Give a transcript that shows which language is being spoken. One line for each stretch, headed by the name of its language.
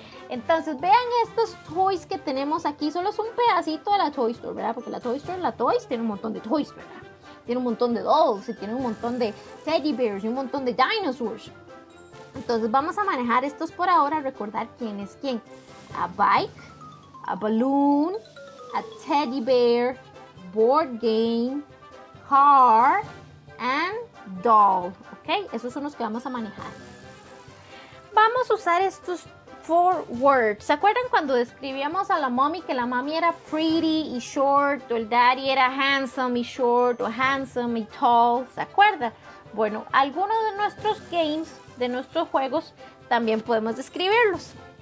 Spanish: Entonces vean estos toys que tenemos aquí. Solo es un pedacito de la Toy Store, ¿verdad? Porque la Toy Store, la Toys, tiene un montón de toys, ¿verdad? Tiene un montón de dolls y tiene un montón de teddy bears y un montón de dinosaurs. Entonces vamos a manejar estos por ahora, recordar quién es quién.
English: A bike, a balloon, a teddy bear, board game, car, and doll. ¿Ok?
Spanish: Esos son los que vamos a manejar. Vamos a usar estos
English: four words.
Spanish: ¿Se acuerdan cuando describíamos a la mommy que la mommy era pretty y short, o el daddy era handsome y short, o handsome y tall? ¿Se acuerdan? Bueno, algunos de nuestros games, de nuestros juegos, también podemos describirlos.